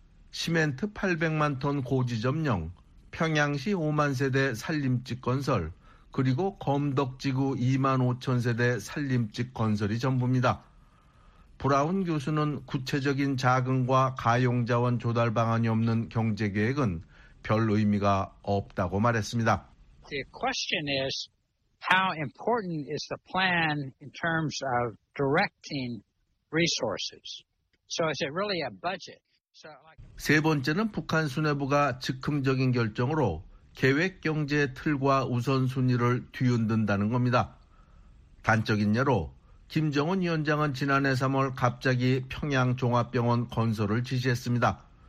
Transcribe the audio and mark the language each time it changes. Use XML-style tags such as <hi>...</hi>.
<ko>시멘트 800만 톤 고지 점령, 평양시 5만 세대 산림집 건설, 그리고 검덕지구 2만 5천 세대 산림집 건설이 전부입니다. 브라운 교수는 구체적인 자금과 가용자원 조달 방안이 없는 경제계획은 별 의미가 없다고 말했습니다.</ko> <en>The question is, how important is the plan in terms of directing resources? So is it really a budget?</en> <ko>세 번째는 북한 수뇌부가 즉흥적인 결정으로 계획 경제 틀과 우선순위를 뒤흔든다는 겁니다. 단적인 예로 김정은 위원장은 지난해 3월 갑자기 평양종합병원 건설을 지시했습니다.</ko>